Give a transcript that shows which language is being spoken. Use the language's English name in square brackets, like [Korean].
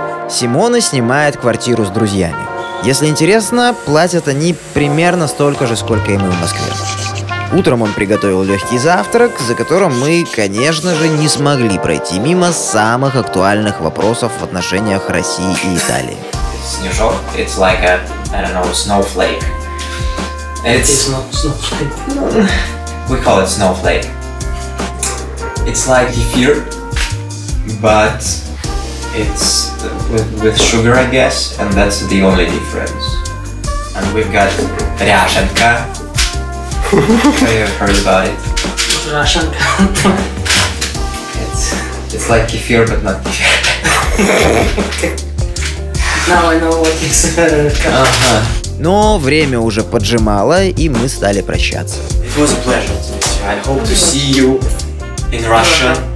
[Russian] Симона снимает квартиру с друзьями. Если интересно, платят они примерно столько же, сколько и мы в Москве. Утром он приготовил легкий завтрак, за которым мы, конечно же, не смогли пройти мимо самых актуальных вопросов в отношениях России и Италии. [English] Снежок, it's like a, I don't know, snowflake. It's not snowflake. We call it snowflake. It's like kefir, but it's with sugar, I guess, and that's the only difference. And we've got ряженка. I have heard about it. It's like kefir, but not kefir. Now I know what it's about. [Russian] Но время уже поджимало, и мы стали прощаться. [English] It was a pleasure to meet you. I hope to see you in Russia.